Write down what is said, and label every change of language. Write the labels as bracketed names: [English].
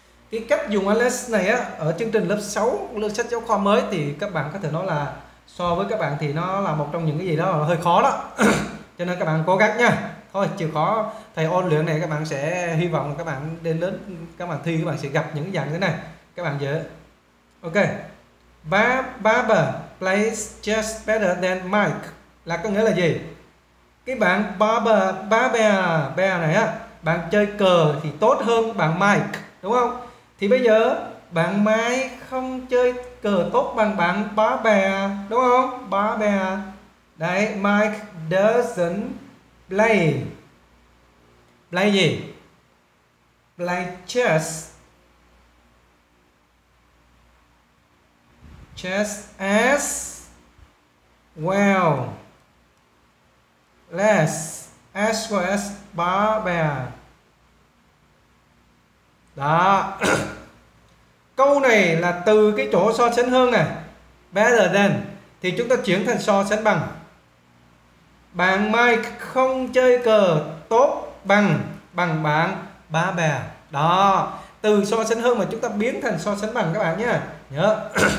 [Vietnamese] Cái cách dùng unless này á ở chương trình lớp 6 lớp sách giáo khoa mới thì các bạn có thể nói là so với các bạn thì nó là một trong những cái gì đó là hơi khó đó. Cho nên các bạn cố gắng nha. Thôi chịu khó, thầy ôn luyện này các bạn sẽ hy vọng là các bạn đến lớp các bạn thi các bạn sẽ gặp những dạng thế này. Các bạn dễ. Ok. [English] Barbara plays chess better than Mike. [Vietnamese] Là có nghĩa là gì? Cái bạn Barbara này á, bạn chơi cờ thì tốt hơn bạn Mike, đúng không? Thì bây giờ bạn Mike không chơi cờ tốt bằng bạn Barbara, đúng không? [English] Barbara. Đấy, Mike doesn't play gì? Play chess as well, less as well as Barbara. [Vietnamese] Đó. Câu này là từ cái chỗ so sánh hơn này, better than, thì chúng ta chuyển thành so sánh bằng. Bạn Mike không chơi cờ tốt bằng bạn Barbara. Đó, từ so sánh hơn mà chúng ta biến thành so sánh bằng các bạn nhé. Nhớ.